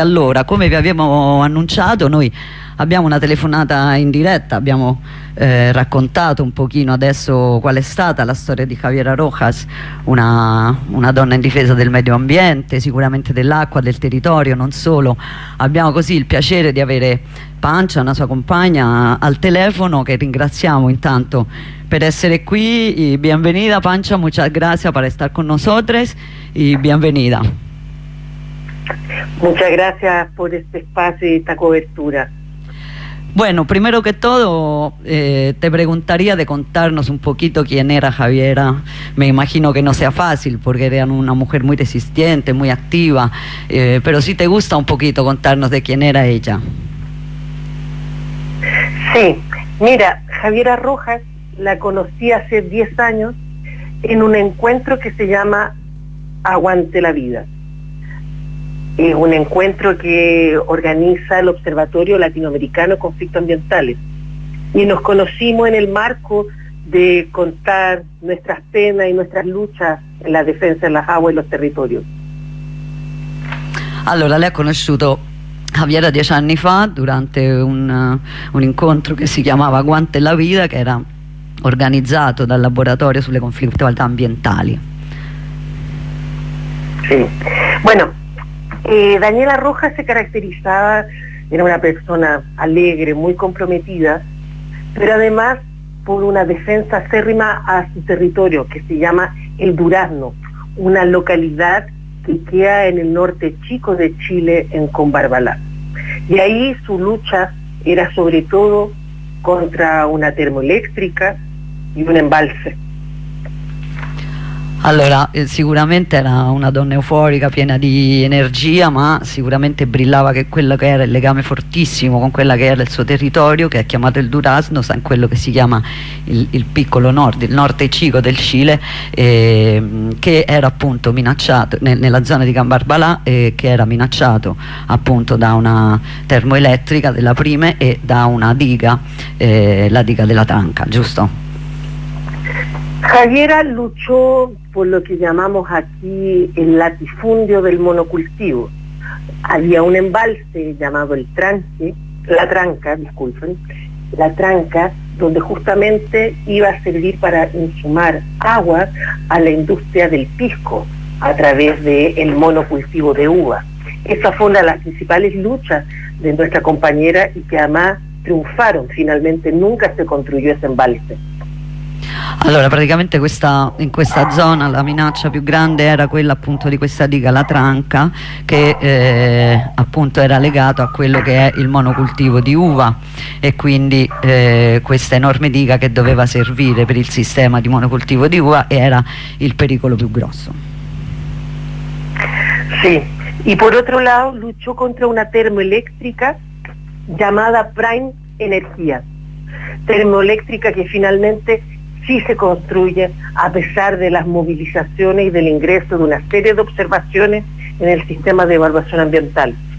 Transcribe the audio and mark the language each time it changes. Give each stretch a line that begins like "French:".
Italian: Allora, come vi abbiamo annunciato, noi abbiamo una telefonata in diretta, abbiamo raccontato un pochino adesso qual è stata la storia di Javiera Rojas, una donna in difesa del medio ambiente, sicuramente dell'acqua, del territorio, non solo. Abbiamo così il piacere di avere Pancia, una sua compagna, al telefono, che ringraziamo intanto per essere qui.
Spanish: Y bienvenida, Pancia, muchas gracias por estar con nosotros y bienvenida. Muchas gracias por este espacio y esta cobertura. Bueno, primero que todo, te preguntaría de contarnos un poquito quién era Javiera. Me imagino que no sea fácil porque era una mujer muy resistente, muy activa, pero si te gusta un poquito contarnos de quién era ella. Sí, mira, Javiera Rojas la conocí hace 10 años en un encuentro que se llama Aguante la Vida. Es un encuentro que organiza el Observatorio Latinoamericano Conflictos Ambientales. Y nos conocimos en el marco de contar nuestras penas y nuestras luchas en la defensa de las aguas y los territorios.
Italian: Allora, le ha conocido Javiera 10 anni fa durante un incontro che si chiamava Aguante la Vida, che era organizzato dal laboratorio sulle conflittualità ambientali.
Spanish: Sì, bueno, Daniela Rojas se caracterizzava, era una persona alegre, muy comprometida, pero además por una defensa acérrima a su territorio, que se llama El Durazno, una localidad que queda en el norte chico de Chile, en Combarbalá. Y ahí su lucha era sobre todo contra una termoeléctrica y un embalse.
Italian: Allora, sicuramente era una donna euforica, piena di energia, ma sicuramente brillava che quello che era il legame fortissimo con quella che era il suo territorio, che è chiamato il Durazno, in quello che si chiama il piccolo nord, il norte cico del Cile, che era appunto minacciato nella zona di Cambarbalà, che era minacciato appunto da una termoelettrica della Prime e da una diga, la diga della Tanca, giusto?
Spanish: Javiera luchó por lo que llamamos aquí el latifundio del monocultivo. Había un embalse llamado el tranque, la tranca, disculpen, la tranca, donde justamente iba a servir para insumar agua a la industria del pisco a través del monocultivo de uva. Esa fue una de las principales luchas de nuestra compañera y que además triunfaron. Finalmente nunca se construyó ese embalse.
Italian: Allora, praticamente in questa zona la minaccia più grande era quella appunto di questa diga, la Tranca, che appunto era legato a quello che è il monocultivo di uva, e quindi questa enorme diga che doveva servire per il sistema di monocultivo di uva era il pericolo più grosso.
Spanish: Sì, e por otro lado luchó contra una termoeléctrica llamada Prime Energía, termoeléctrica que finalmente sí se construye a pesar de las movilizaciones y del ingreso de una serie de observaciones en el sistema de evaluación ambiental.